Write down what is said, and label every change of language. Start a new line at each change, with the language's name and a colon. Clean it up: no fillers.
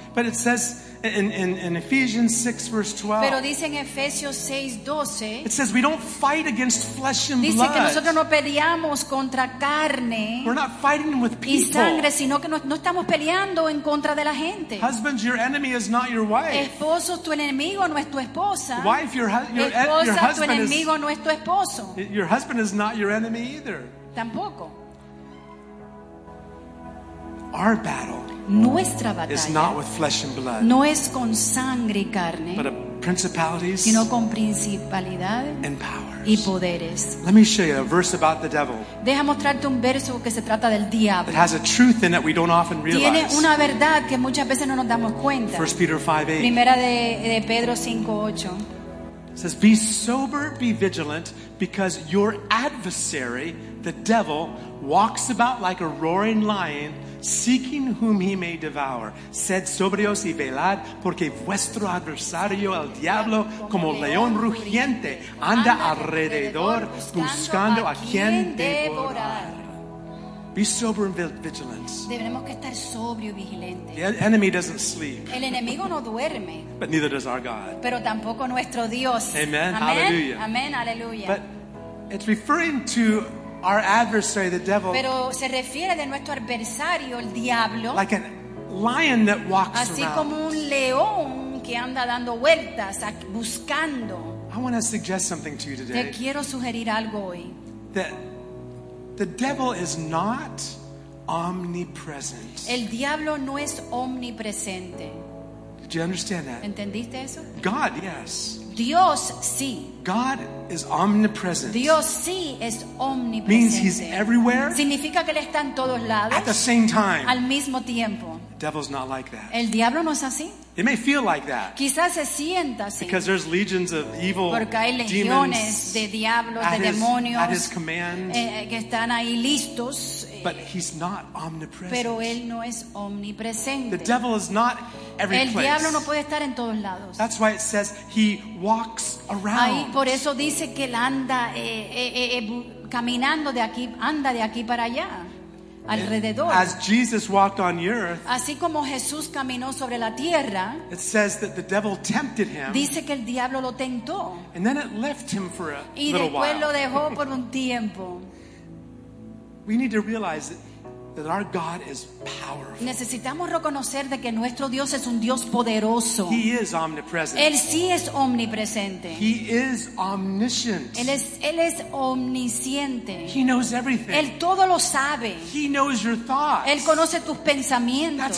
English: But it says in Ephesians 6 verse 12.
Spanish: Pero dice en Efesios 6, 12.
English: It says we don't fight against flesh and
Spanish: dice
English: blood.
Spanish: Dice que nosotros no peleamos contra carne.
English: We're not fighting with people.
Spanish: Y sangre, sino que no estamos peleando en contra de la gente.
English: Husbands, your enemy is not your wife.
Spanish: Esposos, tu enemigo no es tu esposa.
English: Wife, your
Spanish: esposa,
English: your husband
Spanish: tu enemigo no es tu esposo.
English: Your husband is not your enemy either.
Spanish: Tampoco.
English: Our battle,
Spanish: nuestra batalla,
English: is not with flesh and blood,
Spanish: no es con sangre y carne,
English: but principalities,
Spanish: sino con principalidades
English: and powers,
Spanish: y poderes.
English: Let me show you a verse about the devil.
Spanish: Deja mostrarte un verso que se trata del diablo.
English: It has a truth in it we don't often realize.
Spanish: Tiene una verdad que muchas veces no nos damos cuenta.
English: 1 Peter 5:8.
Spanish: Primera de Pedro 5:8.
English: Says, be sober, be vigilant, because your adversary, the devil, walks about like a roaring lion, seeking whom he may devour.
Spanish: Sed sobrios y velad, porque vuestro adversario, el diablo, como león rugiente, anda alrededor buscando a quien devorar.
English: Be sober and vigilant.
Spanish: Debemos que estar sobrio y vigilante.
English: The enemy doesn't sleep.
Spanish: El enemigo no duerme.
English: But neither does our God.
Spanish: Pero tampoco nuestro Dios.
English: Amen. Hallelujah.
Spanish: Amen. Hallelujah.
English: But it's referring to our adversary, the devil.
Spanish: Pero se refiere de nuestro adversario, el diablo.
English: Like a lion that walks
Spanish: así
English: around.
Spanish: Así como un león que anda dando vueltas, buscando.
English: I want to suggest something to you today.
Spanish: Te quiero sugerir algo hoy.
English: The devil is not omnipresent.
Spanish: El diablo no es omnipresente.
English: Did you understand that?
Spanish: ¿Entendiste eso?
English: God, yes.
Spanish: Dios, sí.
English: God is omnipresent.
Spanish: Dios, sí, es omnipresente.
English: Means he's everywhere.
Spanish: Significa que él está en todos lados.
English: At the same time.
Spanish: Al mismo tiempo.
English: The devil's not like that.
Spanish: El diablo no es así.
English: It may feel like that.
Spanish: Quizás se sienta así.
English: Because there's legions of evil
Spanish: demons de diablos, de demonios,
English: at his command.
Spanish: Que están ahí listos.
English: But he's not omnipresent.
Spanish: Pero él no es omnipresente.
English: The devil is not every
Spanish: place. El diablo no puede estar en todos lados.
English: That's why it says he walks around.
Spanish: Ahí por eso dice que él anda caminando de aquí, anda de aquí para allá. Alrededor.
English: As Jesus walked on earth,
Spanish: así como Jesús caminó sobre la tierra,
English: it says that the devil tempted him,
Spanish: dice que el diablo lo tentó,
English: and then it left him for a little while.
Spanish: Y después lo dejó por un tiempo.
English: We need to realize that our God is powerful.
Spanish: Necesitamos reconocer de que nuestro Dios es un Dios poderoso.
English: He is omnipresent.
Spanish: Él sí es omnipresente.
English: He is omniscient.
Spanish: Él es omnisciente.
English: He knows everything.
Spanish: Él todo lo sabe.
English: He knows your thoughts.
Spanish: Él conoce tus pensamientos.